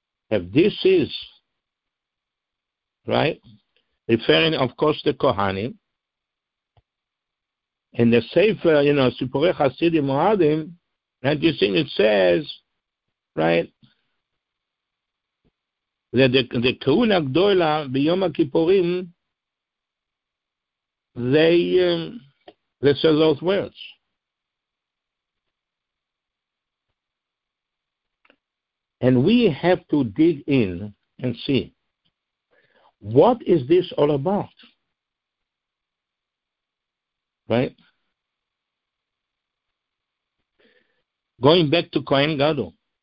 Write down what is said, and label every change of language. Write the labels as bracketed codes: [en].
[en] If this is, right, referring, of course, to Kohanim, in the Sefer, you know, Sipure Hasidim Mo'adim, and you see it says, right, [he] זה כהונה גדולה ביום הכיפורים, [en] they said those words. And we have to dig in and see, what is this all about? Right? Going back to Kohen Gadol.